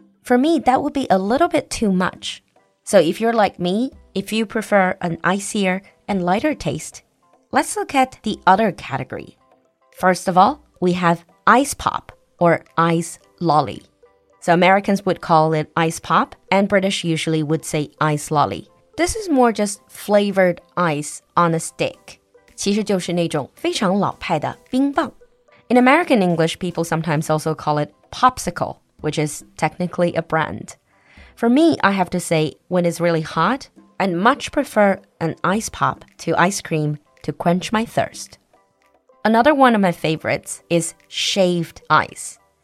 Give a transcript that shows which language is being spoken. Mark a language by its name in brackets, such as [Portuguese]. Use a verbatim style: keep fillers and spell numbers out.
[English] For me, that would be a little bit too much. So if you're like me, if you prefer an icier and lighter taste, let's look at the other category. First of all, we have ice pop or ice lolly. So Americans would call it ice pop, and British usually would say ice lolly. This is more just flavored ice on a stick. [Chinese] 其实就是那种非常老派的冰棒。 [English] In American English, people sometimes also call it popsicle, which is technically a brand. For me, I have to say, when it's really hot, I'd much prefer an ice pop to ice cream to quench my thirst. Another one of my favorites is shaved ice.